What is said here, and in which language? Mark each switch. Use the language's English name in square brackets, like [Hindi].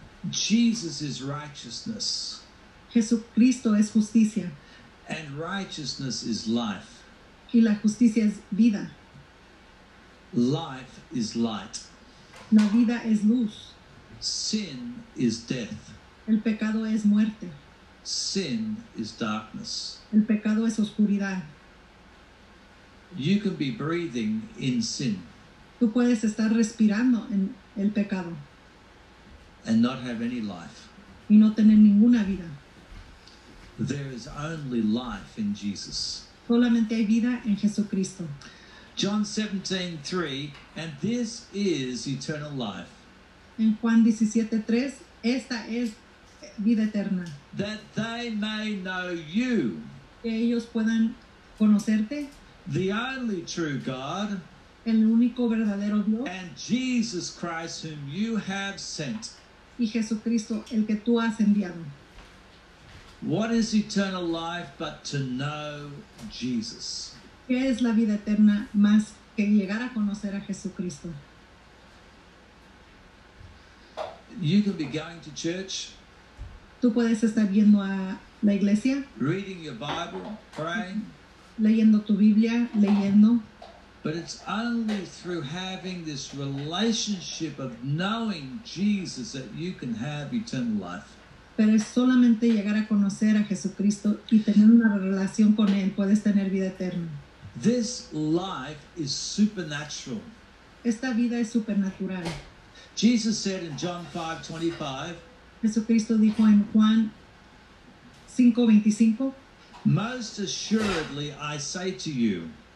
[English] Jesus is righteousness. [Spanish] Jesucristo es justicia. [English] And righteousness is life. [Spanish] Y la justicia es vida. [English] Life is light. [Spanish] La vida es luz. [English] Sin is death. [Spanish] El pecado es muerte. [English] Sin is darkness. [Spanish] El pecado es oscuridad. [English] You can be breathing in sin. [Spanish] Tú puedes estar respirando en el pecado. [English] And not have any life. [Spanish] Y no tener ninguna vida. [English] There is only life in Jesus. [Spanish] Solamente hay vida en Jesucristo. [English] John 17:3, and this is eternal life. [Spanish] En Juan 17:3, esta es vida eterna. [English] That they may know you. [Spanish] Que ellos puedan conocerte. [English] The only true God. [Spanish] El único verdadero Dios. [English] And Jesus Christ, whom you have sent. [Spanish] Y Jesucristo, el que tú has enviado. [English] What is eternal life but to know Jesus? [Spanish] ¿Qué es la vida eterna más que llegar a conocer a Jesucristo? [English] You could be going to church. [Spanish] Tú puedes estar viendo a la iglesia. [English] Reading your Bible, praying. [Spanish] Leyendo tu Biblia, leyendo. [English] But it's only through having this relationship of knowing Jesus that you can have eternal life. [Spanish] Pero es solamente llegar a conocer a Jesucristo y tener una relación con él puedes tener vida eterna. [English] This life is supernatural. [Spanish] Esta vida es supernatural. [English] Jesus said in John 5:25. [Spanish] Jesucristo dijo en Juan 5:25. [English] Most assuredly I say to you.